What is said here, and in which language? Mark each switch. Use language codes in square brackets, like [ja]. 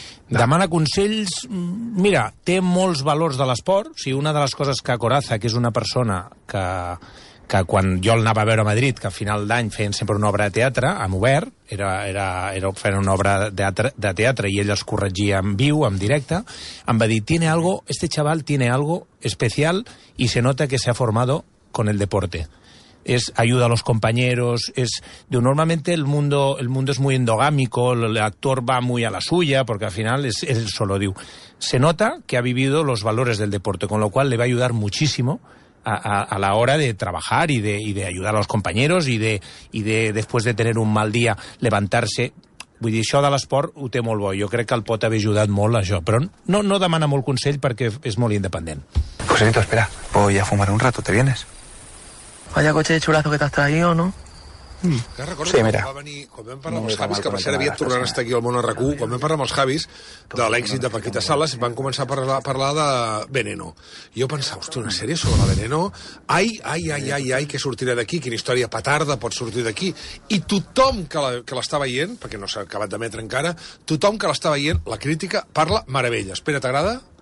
[ca] Demana consells, mira, té molts valors de l'esport, si una de les coses que Coraza, que és una persona que quan jo el anava a veure a Madrid, que a final d'any feien sempre una obra de teatre, amb obert, feien una obra de teatre i ell els corregia en viu, en directe, em va dir, [es] tiene algo, este chaval tiene algo especial y se nota que se ha formado con el deporte. Es ayuda a los compañeros, es... Normalmente el mundo es muy endogámico, el actor va muy a la suya, porque al final es él solo, [ca] diu. [es] Se nota que ha vivido los valores del deporte, con lo cual le va a ayudar muchísimo a la hora de trabajar y de ayudar a los compañeros y de después de tener un mal día levantarse. [ca] Vull dir, això de l'esport ho té molt bo. Jo crec que el pot haver ajudat molt a això, però no demana molt consell perquè és molt independent. [es] Joselito, espera, voy a fumar un rato, ¿te vienes? Vaya coche de chulazo que te has traído, ¿no? [ca] Que recordo sí, mira. Quan vam parlar amb els Javis, que passarà aviat tornant a estar aquí al món a RAC1, quan vam parlar amb els Javis de l'èxit de Paquita Salas, van començar a parlar de Veneno. Jo pensava, hosti, una sèrie sobre la Veneno? Ai, què sortirà d'aquí? Quina història petarda pot sortir d'aquí? I tothom que l'està veient, perquè no s'ha acabat d'emetre encara, tothom que l'està veient, la crítica, parla meravella. Espera, t'agrada?